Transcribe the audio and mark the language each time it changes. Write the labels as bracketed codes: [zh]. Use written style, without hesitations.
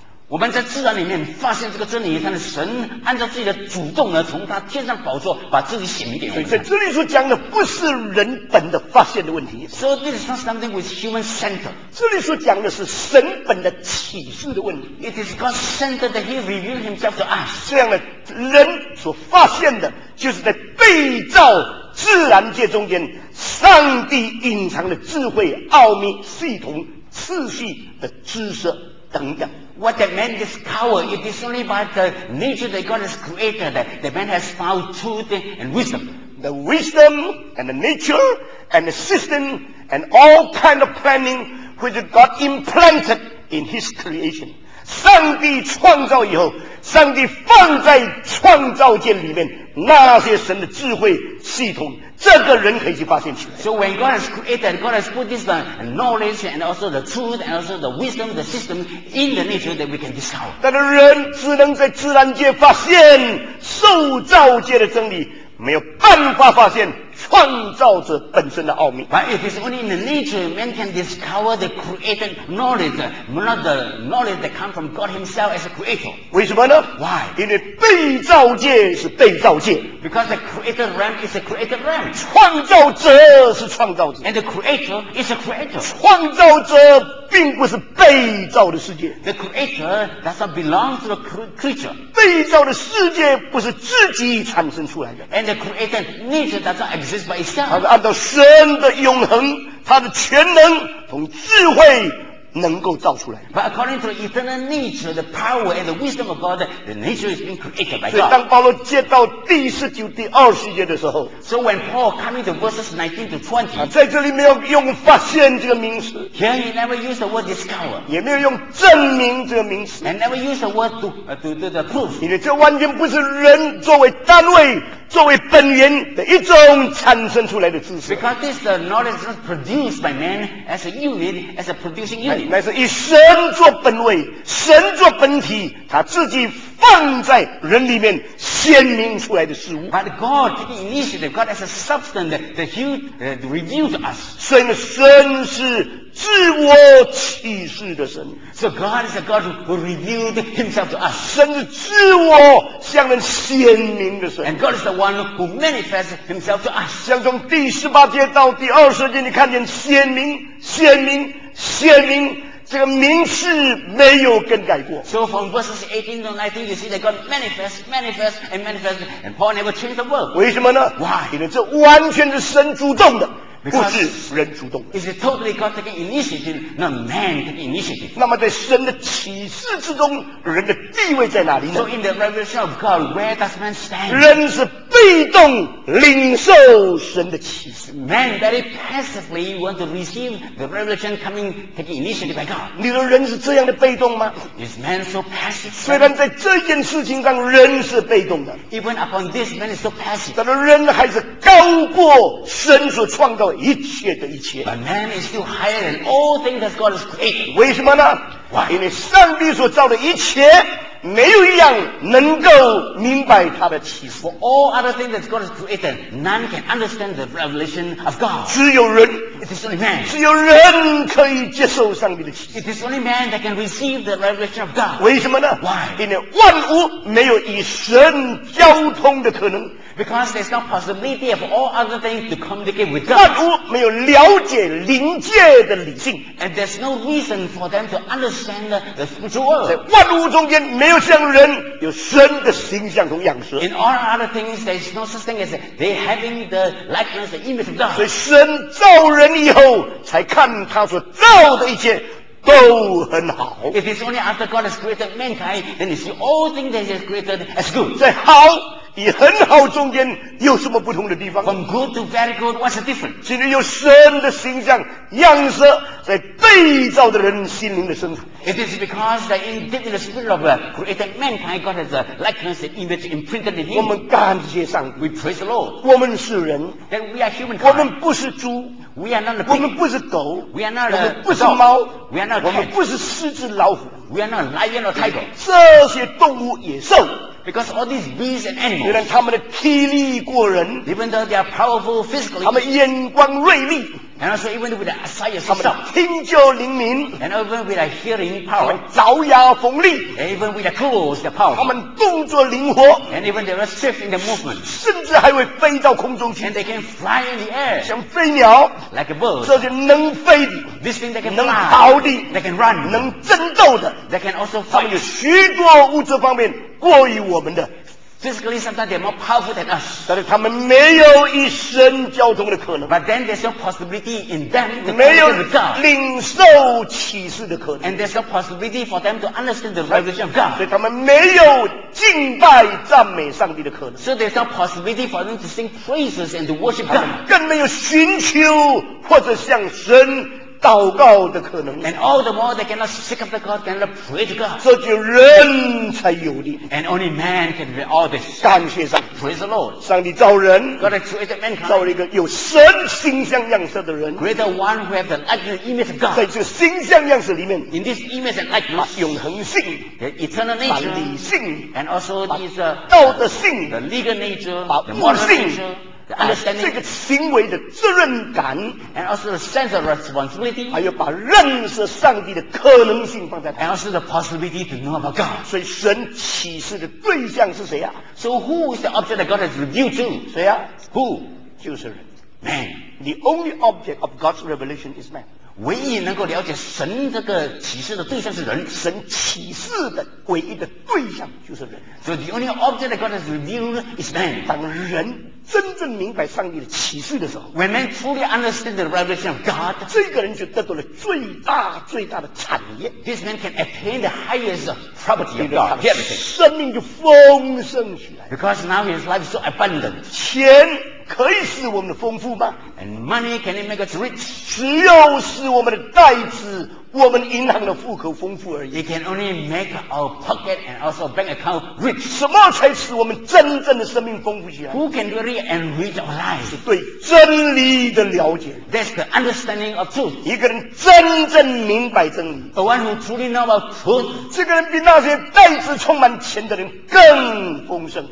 [zh] 我们在自然里面发现这个真理，但是神按照自己的主动呢，从他天上宝座把自己显明给我们。所以这里所讲的不是人本的发现的问题。 [en] So this is not something with human center. [zh] 这里所讲的是神本的启示的问题。 [en] It is God's center that he revealed himself to us. [zh] 这样的人所发现的就是在被造自然界中间上帝隐藏的智慧、奥秘、系统、次序的知识等等。 [en] What the man discovered, it is only by the nature that God has created that the man has found truth and wisdom. The wisdom and the nature and the system and all kind of planning which God implanted in his creation. [zh] 上帝创造以后，上帝放在创造界里面那些神的智慧系统，这个人可以去发现起来。 [en] So when God has created, God has put this knowledge and also the truth and also the wisdom, the system in the nature that we can discover. [zh] 但是人只能在自然界发现受造界的真理，没有办法发现创造者本身的奥秘。 [en] But it is only in the nature man can discover the created knowledge, not the knowledge that comes from God himself as a creator. [zh] 为什么呢？ [en] Why? [zh] 因为被造界是被造界。 [en] Because the created realm is a created realm. [zh] 创造者是创造者。 [en] And the creator is a creator. [zh] 创造者并不是被造的世界。 [en] The creator does not belong to the creature. [zh] 被造的世界不是自己产生出来的。 [en] And the created nature does not exist by itself. [zh] 它是按照神的永恒，它的全能同智慧能够造出来。 [en] But according to the eternal nature, the power and the wisdom of God, the nature is being created by God. [zh] 所以当保罗接到第十九、第二十节的时候 [en] ，So when Paul coming to verses 19 to 20, [zh] 在这里没有用发现这个名词 [en] ，Here he never used the word discover, [zh] 也没有用证明这个名词 [en] ，And never used the word to the proof. [zh] 因为这完全不是人作为单位。作为本源的一种产生出来的知识。 [en] Because this knowledge is produced by man as a unit, as a producing unit. [zh] 那是以神作本位，神作本体，他自己放在人里面显明出来的事物。 [en] But God took the initiative, God as a substance that he revealed to us. [zh] 所以呢，神是自我启示的神。 [en] So God is a God who revealed himself to us. [zh] 神是自我向人显明的神。 [en] And God is the one who manifests himself to us. [zh] 像从第十八节到第二十节，你看见显明、显明、显明。这个名词没有更改过。 [en] So from verses 18 to 19, you see that God manifests, manifests, and manifests, and Paul never changed the word. [zh] 为什么呢？ [en] Why? [zh] 因为这完全是神主动的。不是人主动的。 [en] Is it totally God taking initiative, not man taking initiative? [zh] 那么在神的启示之中，人的地位在哪里呢？ [en] So in the revelation of God, where does man stand? [zh] 人是被被动领受神的启示。 [en] Man very passively want to receive the revelation coming, taking initiative by God. [zh] 你的人是这样的被动吗？ [en] Is man so passive? [zh] 虽然在这件事情上人是被动的。 [en] Even upon this, man is so passive. [zh] 但人还是高过神所创造一切的一切。 [en] But man is still higher than all things that God has created. [zh] 为什么呢？ [en] Why? [zh] 因为上帝所造的一切没有一样能够明白他的启示。 [en] For all other things that God has created, none can understand the revelation of God. [zh] 只有人， [en] it is only man. [zh] 只有人可以接受上帝的启示。 [en] It is only man that can receive the revelation of God. [zh] 为什么呢？ [en] Why? [zh] 因为万物没有与神交通的可能。 [en] Because there's no possibility of all other things to communicate with God. [zh] 万物没有了解灵界的理性。 [en] And there's no reason for them to understand the spiritual world. [zh] 在万物中间没有像人有神的形象和样式。 [en] In all other things, there's no such thing as they having the likeness, the image of God. [zh] 所以神造人以后才看他所造的一切都很好。 [en] It is only after God has created mankind, then you see all things that he has created as good. [zh] 在好与很好中间有什么不同的地方？ [en] From good to very good, what's the difference? [zh] 其实有神的形象样式在被造的人心灵的深处。 [en] It is because that in the spirit of created mankind, God has a likeness, an image imprinted in him. [zh] 我们感谢上帝。 [en] We praise the Lord. [zh] 我们是人。 [en] Then we are human. [zh] 我们不是猪。 [en] We are not a pig. [zh] 我们不是狗。 [en] We are not a dog. [zh] 我们不是猫。 [en] We are not a cat. [zh] 我们不是狮子老虎。 [en] We are not a lion or tiger. [zh] 这些动物野兽。 [en] Because all these beasts and animals, [zh] 虽然他们的体力过人， [en] even though they are powerful physically, [zh] 他们眼光锐利， [en] and also even with the eyes, [zh] 他们的听觉灵敏， [en] and even with the hearing power, [zh] 他们爪牙锋利， [en] and even with the claws, the power, [zh] 他们动作灵活， [en] and even they are swift in the movement, [zh] 甚至还会飞到空中去， [en] and they can fly in the air, [zh] 像飞鸟， [en] like a bird, [zh] 这些能飞的， [en] this thing they can fly, [zh] 能跑的， [en] they can run, [zh] 能争斗的， [en] they can also fight, [zh] 他们有许多物质方面过于我们的。 [en] Physically, sometimes they're more powerful than us. [zh] 但是他们没有与神交通的可能。 [en] But then there's no possibility in them to communicate with God. [zh] 没有领受启示的可能。 [en] And there's no possibility for them to understand the revelation of God. [zh] 所以他们没有敬拜赞美上帝的可能。 [en] So there's no possibility for them to sing praises and to worship God. [zh] 更没有寻求或者向神祷告的可能。 [en] And all the more they cannot seek after God, cannot pray to God. [zh] 这就人才有的。 [en] And only man can be all this. [zh] 感谢上 [en] 帝。Praise the Lord. [zh] 上帝造人， [en] God has created mankind. [zh] 造了一个有神形象样式的人。 [en] Greater one who has the likeness and image of God. [zh] 在这个形象样式里面， [en] In this image and likeness, [zh] 永恒性， [en] the eternal nature, [zh] 把理性， [en] And also this, [zh] 道德性， [en] the legal nature, [zh] 把 [en] moral nature, [zh] 这个行为的责任感， [en] and also the sense of responsibility, [zh] 还有把认识上帝的可能性放在， [en] and also the possibility to know about God. [zh] 所以神启示的对象是谁啊？ [en] So who is the object that God has revealed to? [zh] 谁啊？ [en] Who? [zh] 就是人。 [en] Man. The only object of God's revelation is man. [zh] 唯一能够了解神这个启示的对象是人。神启示的唯一的对象就是人。 [en] So the only object that God has revealed is man. [zh] 当人真正明白上帝的启示的时候， [en] When man fully understands the revelation of God, [zh] 这个人就得到了最大最大的产业。 [en] This man can attain the highest property of God. [zh] 生命就丰盛起来。 [en] Because now his life is so abundant. [zh] 钱可以使我们的丰富吗？ [en] And money can it make us rich? [zh] 只有使我们的袋子我们银行的户口丰富而已。 [en] It can only make our pocket and also bank account rich. [zh] 什么才使我们真正的生命丰富起来？ [en] Who can really enrich our lives? [zh] 是对真理的了解。 [en] That's the understanding of truth. [zh] 一个人真正明白真理， [en] The one who truly knows about truth, [zh] 这个人比那些袋子充满钱的人更丰盛。